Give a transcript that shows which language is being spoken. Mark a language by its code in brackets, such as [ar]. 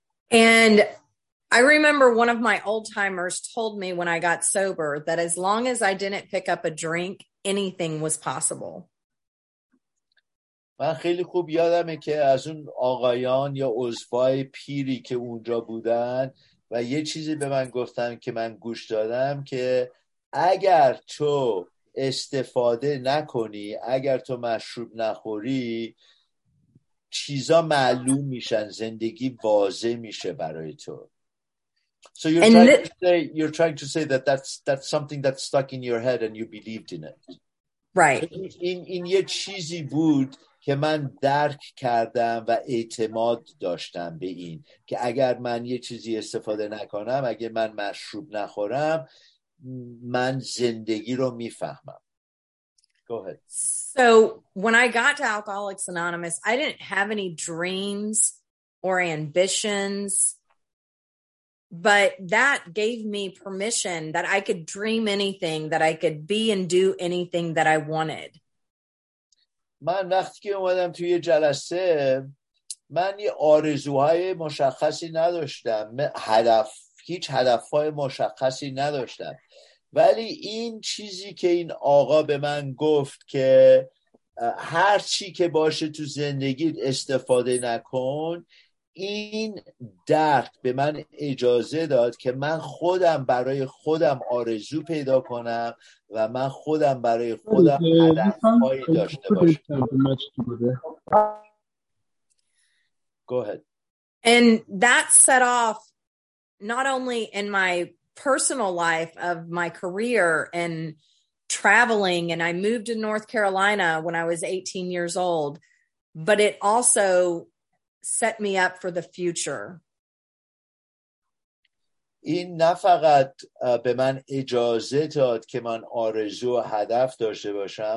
[en] And I remember one of my old timers told me when I got sober that as long as I didn't pick up a drink, anything was possible. [fa] من خیلی خوب یادمه که از اون آقایان یا عضوای پیری که اونجا بودن و یه چیزی به من گفتن که من گوش دادم، که اگر تو استفاده نکنی، اگر تو مشروب نخوری، چیزا معلوم میشن، زندگی واضح میشه برای تو. [en] So you're trying to say that's something that stuck in your head and you believed in it. Right. [fa] این یه چیزی بود که من درک کردم و اعتماد داشتم به این که اگر من یه چیزی استفاده نکنم، اگر من مشروب نخورم، من زندگی رو میفهمم. [en] Go ahead. So when I got to Alcoholics Anonymous, I didn't have any dreams or ambitions, but that gave me permission that I could dream anything, that I could be and do anything that I wanted. [fa] من وقتی که اومدم توی جلسه، من یه آرزوهای مشخصی نداشتم، هیچ هدفهای مشخصی نداشتم، ولی این چیزی که این آقا به من گفت که هر چی که باشه تو زندگی استفاده نکن. این درد به من اجازه داد که من خودم برای خودم آرزو پیدا کنم و من خودم برای خودم هدفهایی داشته باشم. [en] Go ahead. And that set off not only in my personal life of my career and traveling, and I moved to North Carolina when I was 18 years old, but it also set me up for the future. [fa] این نه فقط به من اجازه داد که من آرزو و هدف داشته باشم.